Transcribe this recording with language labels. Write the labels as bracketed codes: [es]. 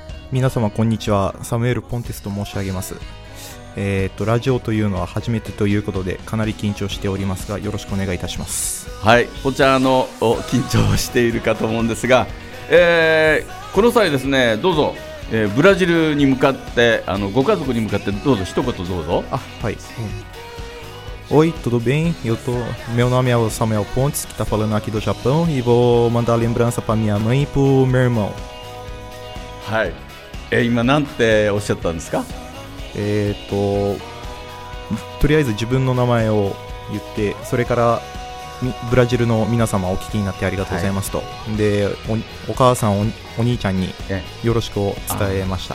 [ja] 皆様こんにちは、サムエル・ポンテスと申し上げます。ラジオというのは初めてということでかなり緊張しておりますが、よろしくお願いいたします。はい、こちらの緊張しているかと思うんですが、この際ですね、どうぞ、ブラジルに向かって、ご家族に向かってどうぞ一言どうぞ。あ、はい、 [pt] おい、tudo bem? Eu tô... Meu nome é o Samuel Pontes, que tá falando aqui do Japão, e vou mandar lembrança pra minha mãe e pro meu irmão. [ja] はい、今なんておっしゃったんですか？とりあえず自分の名前を言って、それからブラジルの皆様お聞きになってありがとうございますと、はい、で お母さん お兄ちゃんによろしくを伝えました。